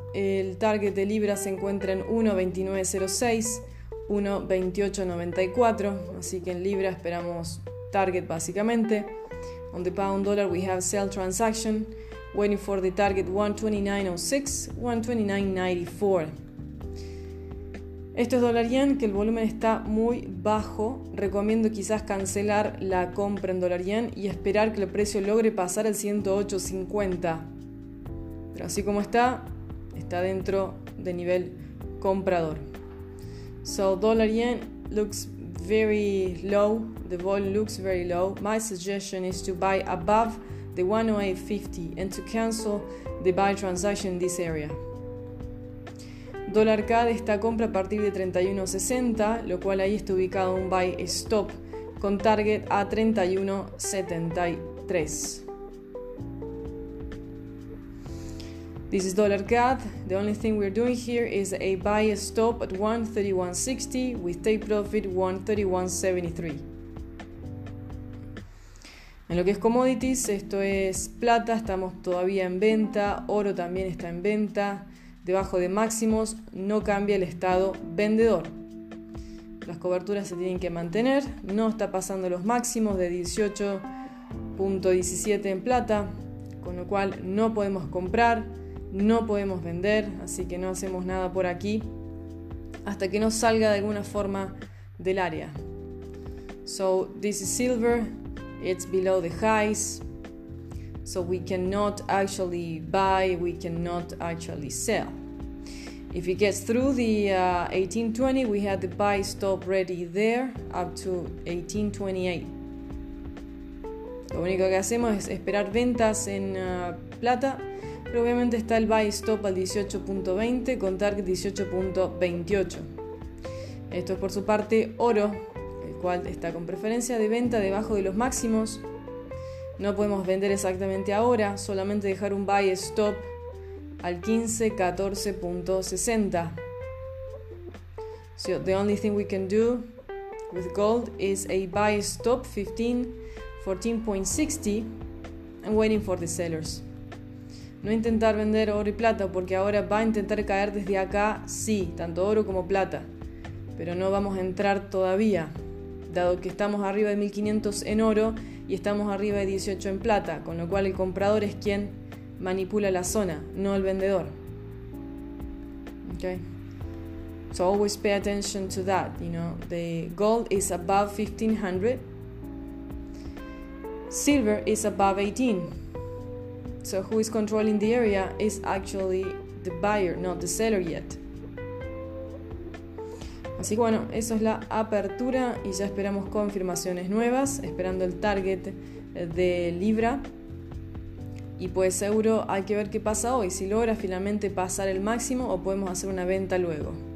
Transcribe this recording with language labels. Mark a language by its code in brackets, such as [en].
[es] El target de Libra se encuentra en 1.2906, 1.2894. Así que en Libra esperamos target básicamente. [en] On the pound dollar, we have sell transaction waiting for the target 129.06, 129.94. [es] Esto es dólar yen, que el volumen está muy bajo. Recomiendo quizás cancelar la compra en dólar yen y esperar que el precio logre pasar el 108.50. Pero así como está, está dentro de nivel comprador. [en] So dólar yen looks very low, the volume looks very low. My suggestion is to buy above the 108.50 and to cancel the buy transaction in this area. [es] Dólar CAD, esta compra a partir de 31.60, lo cual ahí está ubicado un buy stop con target a 31.73. [en] This is dollar CAD. The only thing we're doing here is a buy stop at 131.60 with take profit 131.73. [es] En lo que es commodities, esto es plata, estamos todavía en venta, oro también está en venta, debajo de máximos, no cambia el estado vendedor. Las coberturas se tienen que mantener, no está pasando los máximos de 18.17 en plata, con lo cual no podemos comprar. No podemos vender, así que no hacemos nada por aquí hasta que no salga de alguna forma del área. [en] So this is silver, it's below the highs, so we cannot actually buy, we cannot actually sell. If it gets through the 1820, we had the buy stop ready there up to 1828. [es] Lo único que hacemos es esperar ventas en plata. Pero obviamente está el buy stop al 18.20 con target 18.28. Esto es por su parte oro, el cual está con preferencia de venta debajo de los máximos. No podemos vender exactamente ahora, solamente dejar un buy stop al 15.14.60. [en] So the only thing we can do with gold is a buy stop 15.14.60 and waiting for the sellers. [es] No intentar vender oro y plata, porque ahora va a intentar caer desde acá, sí, tanto oro como plata. Pero no vamos a entrar todavía, dado que estamos arriba de 1500 en oro y estamos arriba de 18 en plata, con lo cual el comprador es quien manipula la zona, no el vendedor. [en] Okay. So always pay attention to that, you know, the gold is above 1500. Silver is above 18. So who is controlling the area is actually the buyer, not the seller yet. [es] Así que bueno, eso es la apertura y ya esperamos confirmaciones nuevas, esperando el target de Libra. Y pues euro, hay que ver qué pasa hoy, si logra finalmente pasar el máximo o podemos hacer una venta luego.